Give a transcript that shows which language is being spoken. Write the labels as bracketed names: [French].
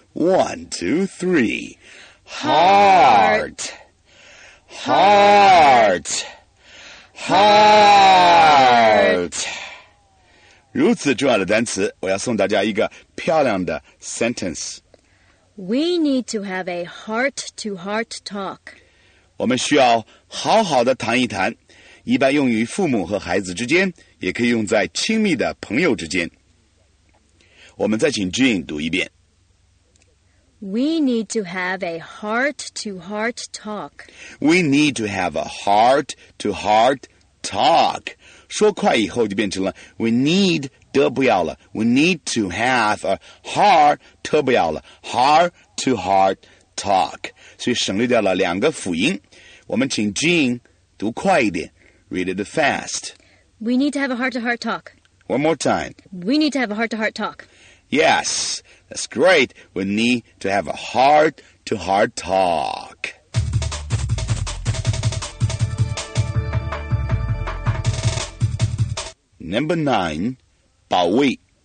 [English] One, two, three. Heart. Heart. Heart. [Chinese] 如此重要的单词，我要送大家一个漂亮的 sentence. [English] We need to have a heart-to-heart talk. [Chinese] 我们需要好好的谈一谈，一般用于父母和孩子之间，也可以用在亲密的朋友之间。我们再请 Jin 读一遍。 [English] We need to have a heart-to-heart talk. We need to have a heart-to-heart talk. [Chinese] 说快以后就变成了 [English] We need [Chinese] 得不要了 [English] We need to have a heart [Chinese] 得不要了 [English] Heart to heart talk [Chinese] 所以省略掉了两个辅音我们请 Jin 读快一点 [English] Read it fast We need to have a heart to heart talk One more time We need to have a heart to heart talk Yes, that's great We need to have a heart to heart talkNumber 9, 保卫